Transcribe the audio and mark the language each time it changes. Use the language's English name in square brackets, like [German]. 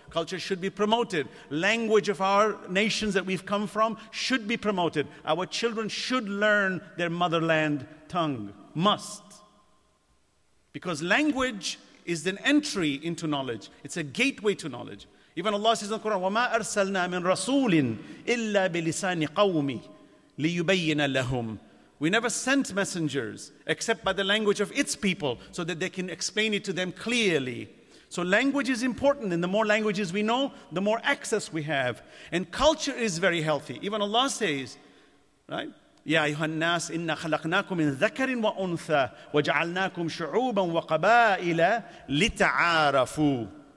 [English] Culture should be promoted. Language of our nations that we've come from should be promoted. Our children should learn their motherland tongue. Must. Because language is an entry into knowledge. It's a gateway to knowledge. Even Allah says in the Quran, [Arabic] وَمَا أَرْسَلْنَا مِنْ رَسُولٍ إِلَّا بِلِسَانِ قَوْمِ لِيُبَيِّنَ لَهُمْ. [English] We never sent messengers except by the language of its people so that they can explain it to them clearly. So language is important, and the more languages we know, the more access we have. And culture is very healthy. Even Allah says, right? [Arabic] يَا أَيُّهَا النَّاسِ إِنَّا خَلَقْنَاكُمْ مِنْ ذَكَرٍ وَأُنْثَى وَجَعَلْنَاكُمْ شُعُوبًا وَقَبَائِلَ لِتَعَارَفُوا.